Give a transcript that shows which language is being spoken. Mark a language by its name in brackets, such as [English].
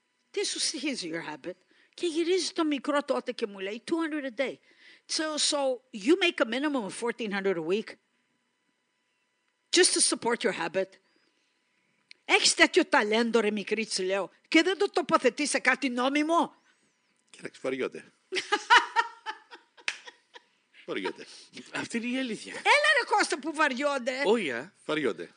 [Greek] Τι σου στοιχίζει [English] your habit? [Greek] Και γυρίζει το μικρό τότε και μου λέει, [English] 200 a day. So you make a minimum of 1400 a week? Just to support your habit. [Greek] Έχεις τέτοιο ταλέντο, ρε μικρή, της λέω, και δεν το τοποθετείς σε κάτι νόμιμο. Κοίταξε, φοριώται. Βαριώνται. Αυτή είναι η αλήθεια. Έλα ρε Κώστα που βαριώνται. Όχι, α. Βαριώνται.